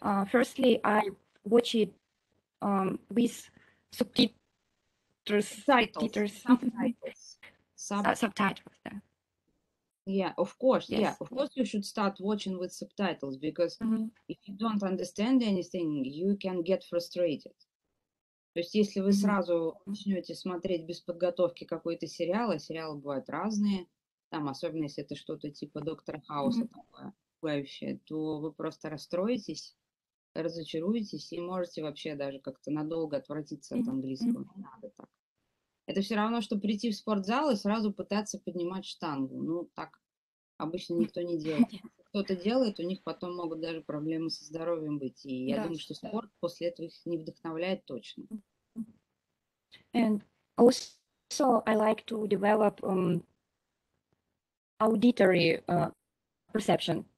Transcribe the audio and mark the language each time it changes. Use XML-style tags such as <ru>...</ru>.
<en>Firstly, I watch it with subtitles. Yeah, of course. Yes. Yeah, of course you should start watching with subtitles, because if you don't understand anything, you can get frustrated.</en> <ru>То есть если вы сразу начнете смотреть без подготовки какой-то сериал, а сериалы бывают разные, там особенно если это что-то типа Доктора Хауса такое пугающее, то вы просто расстроитесь, разочаруетесь и можете вообще даже как-то надолго отвратиться от английского. Не надо так. Это все равно, что прийти в спортзал и сразу пытаться поднимать штангу. Ну, так обычно никто не делает. Кто-то делает, у них потом могут даже проблемы со здоровьем быть. И я думаю, что спорт после этого их не вдохновляет точно.</ru> <en>And also I like to develop auditory perception.</en>